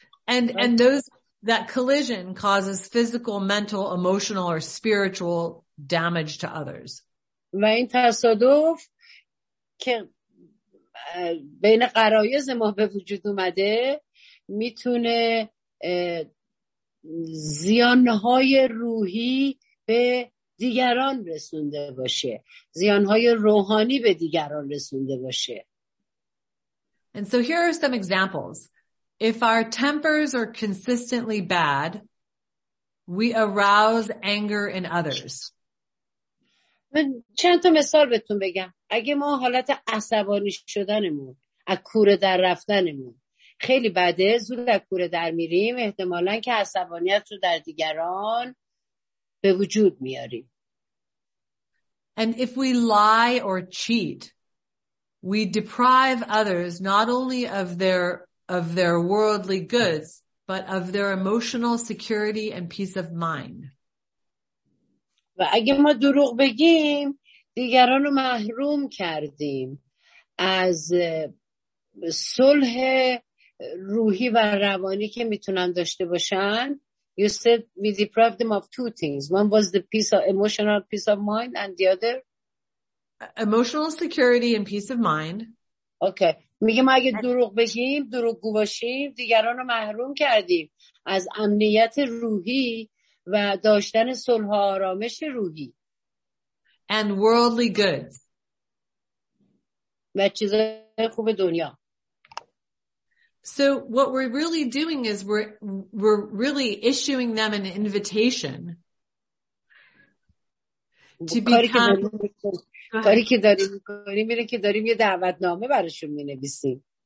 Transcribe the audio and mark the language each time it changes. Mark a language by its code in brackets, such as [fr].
[en] And those that collision causes physical, mental, emotional or spiritual damage to others. [fa] و این تصادف که بین غرایز ما به وجود اومده میتونه زیانهای روحی به دیگران رسونده باشه، زیانهای روحانی به دیگران رسونده باشه. [en] And so here are some examples. If our tempers are consistently bad, we arouse anger in others. [fa] من چند تا مثال بهتون بگم. اگه ما حالت عصبانی شدنمون، از کوره در رفتنمون خیلی بده، زود از کوره در میریم، احتمالاً که عصبانیت رو در دیگران به وجود میاریم. [en] And if we lie or cheat, we deprive others not only of their worldly goods, but of their emotional security and peace of mind. [fa] و اگه ما دروغ بگیم، دیگران رو محروم کردیم از صلح روحی و روانی که میتونن داشته باشن. [en] You said we deprived them of two things. One was the peace of emotional peace of mind, and the other emotional security and peace of mind. Okay. [fa] میگه ما اگه دروغ بگیم، دروغگو باشیم، دیگران رو محروم کردیم از امنیت روحی و داشتن صلح و آرامش روحی. [en] And worldly goods. [fa] و چیزهای خوب دنیا. [en] So what we're really doing is we're really issuing them an invitation to become. [fa] کاری که داریم می‌کنیم اینه که داریم یه دعوتنامه براشون می‌نویسیم.